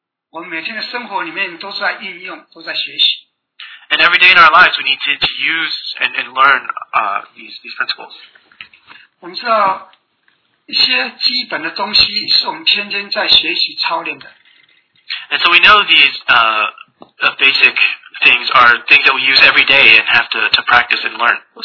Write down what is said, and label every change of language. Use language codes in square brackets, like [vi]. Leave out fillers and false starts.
[zh] 我们每天的生活里面都在应用，都在学习。 [en] And every day in our lives, we need to use and learn these principles. [zh] 我们知道一些基本的东西是我们天天在学习操练的。 [en] And so we know these basic things are things that we use every day and have to practice and learn.